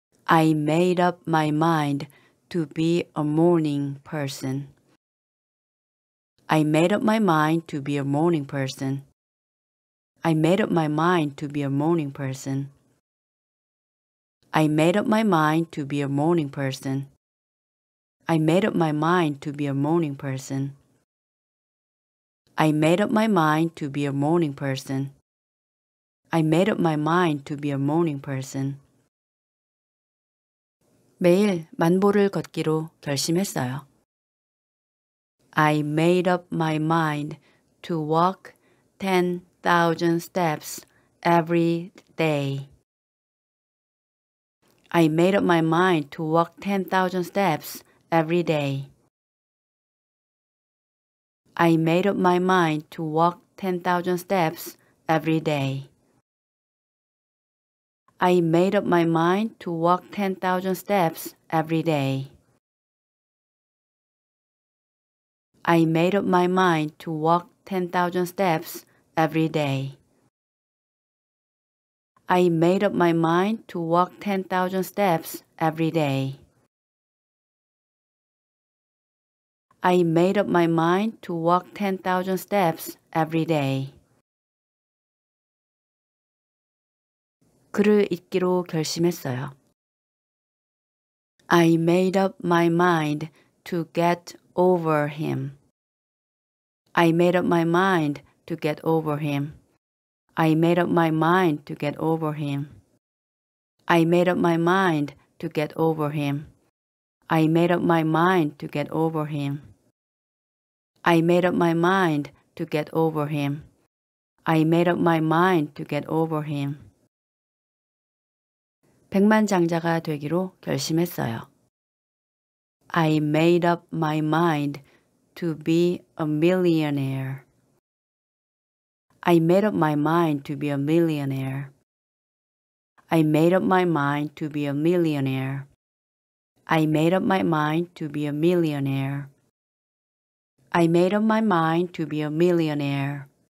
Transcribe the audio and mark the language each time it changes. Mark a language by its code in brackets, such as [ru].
[en] I made up my mind to be a morning person. I made up my mind to be a morning person. I made up my mind to be a morning person. I made up my mind to be a morning person. I made up my mind to be a morning person. I made up my mind to be a morning person. I made up my mind to be a morning person. [ko] 매일 만보를 걷기로 결심했어요. [en] I made up my mind to walk 10,000 steps every day. I made up my mind to walk 10,000 steps every day. I made up my mind to walk 10,000 steps every day. I made up my mind to walk 10,000 steps every day. I made up my mind to walk 10,000 steps every day. I made up my mind to walk 10,000 steps every day. I made up my mind to walk 10,000 steps every day. [ko] 글을 읽기로 결심했어요. [en] I made up my mind to get over him. I made up my mind to get over him. I made up my mind to get over him. I made up my mind to get over him. I made up my mind to get over him. I made up my mind to get over him. I made up my mind to get over him. [ko] 백만장자가 되기로 결심했어요. [en] I made up my mind to be a millionaire. I made up my mind to be a millionaire. I made up my mind to be a millionaire. I made up my mind to be a millionaire. I made up my mind to be a millionaire.